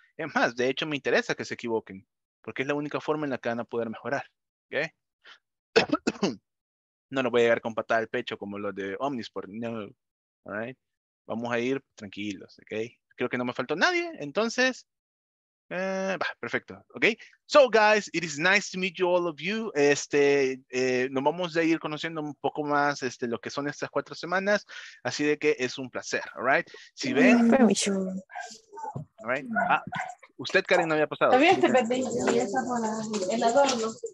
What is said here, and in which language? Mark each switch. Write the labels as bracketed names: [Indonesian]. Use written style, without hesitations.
[Spanish] Es más, de hecho, me interesa que se equivoquen, porque es la única forma en la que van a poder mejorar, okay. No lo voy a llegar con patada al pecho como los de Omnisport, no. [English] All right. [Spanish] Vamos a ir tranquilos, ok. Creo que no me faltó nadie, entonces perfecto, ok. [English] So guys, it is nice to meet you all of you. [Spanish] Nos vamos a ir conociendo un poco más lo que son estas 4 semanas, así de que es un placer, [English] all right. [Spanish] Si ven, permiso. [English] All right. [Spanish] Ah, usted, Karen, no había pasado. Había este pendiente. El adorno.